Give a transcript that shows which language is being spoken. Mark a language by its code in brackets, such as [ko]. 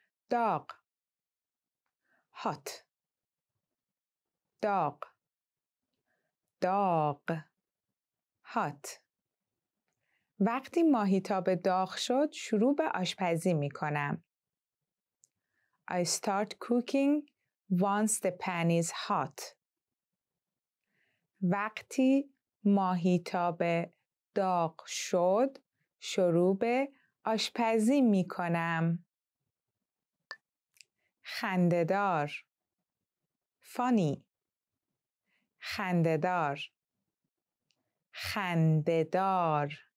[fa] داغ. [en] Hot. [fa] داغ. داغ. Hot. وقتی ماهیتاب داغ شد شروع به آشپزی می کنم. [en] I start cooking once the pan is hot. [fa] وقتی ماهیتاب داغ شد شروع به آشپزی می کنم. خنددار. [en] Funny. [fa] خنددار. خنددار.